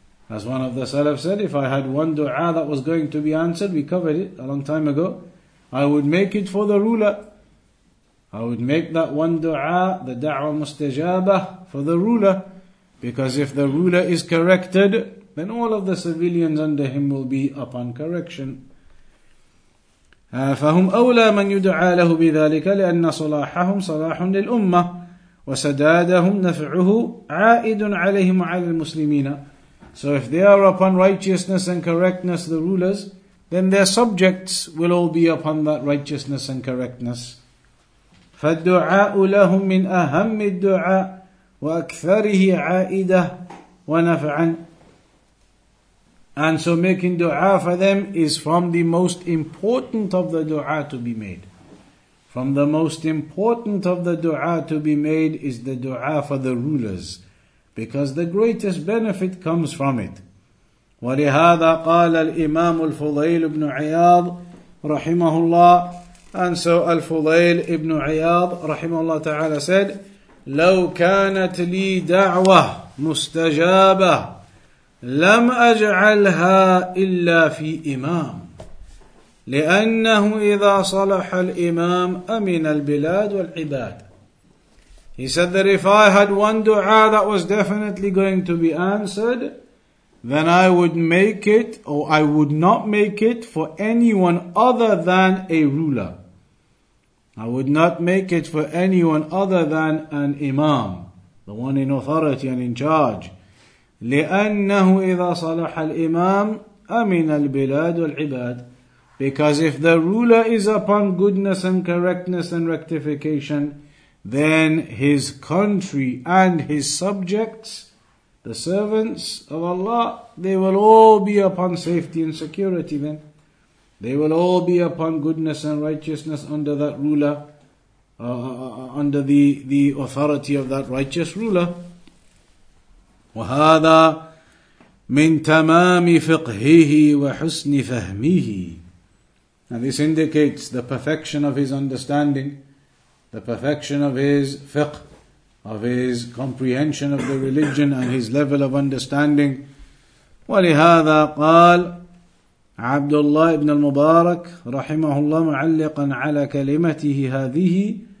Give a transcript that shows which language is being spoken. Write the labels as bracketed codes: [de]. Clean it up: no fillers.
[en] As one of the Salaf said, if I had one dua that was going to be answered, we covered it a long time ago, I would make it for the ruler. I would make that one dua, the da'wah mustajabah, for the ruler. Because if the ruler is corrected, then all of the civilians under him will be upon correction. [ar] فهم أولى من يدعى له بذلك لأن صلاحهم صلاح للأمة وسدادهم نفعه عائد عليهم وعلى المسلمين. [en] So if they are upon righteousness and correctness, the rulers, then their subjects will all be upon that righteousness and correctness. [ar] فالدعاء لهم من أهم الدعاء وأكثره عائدة ونفعا. [en] And so making dua for them is from the most important of the dua to be made. From the most important of the dua to be made is the dua for the rulers, because the greatest benefit comes from it. [ar] وَلِهَذَا قَالَ الْإِمَامُ الْفُضَيْلُ بْنُ عِيَاضٍ رَحِمَهُ اللَّهُ. [en] And so Al-Fudayl ibn Iyad rahimahullah ta'ala said, [ar] لَوْ كَانَتْ لِي دَعْوَةٌ مُسْتَجَابَةٌ لم أجعلها إلا في إمام لأنه إذا صلح الإمام أمن البلاد والعباد. [en] He said that if I had one dua that was definitely going to be answered, then I would make it, or I would not make it for anyone other than a ruler. I would not make it for anyone other than an imam, the one in authority and in charge. [ar] لأنه إذا صلح الإمام أمن البلاد والعباد. [en] Because if the ruler is upon goodness and correctness and rectification, then his country and his subjects, the servants of Allah, they will all be upon safety and security then. They will all be upon goodness and righteousness under that ruler, under the authority of that righteous ruler. [ar] وَهَذَا مِنْ تَمَامِ فِقْهِهِ وَحُسْنِ فَهْمِهِ. [en] And this indicates the perfection of his understanding, the perfection of his fiqh, of his comprehension of the religion and his level of understanding. [ar] وَلِهَذَا قَالْ عبد الله بن المبارك رحمه الله معلقا على كلمته هذه.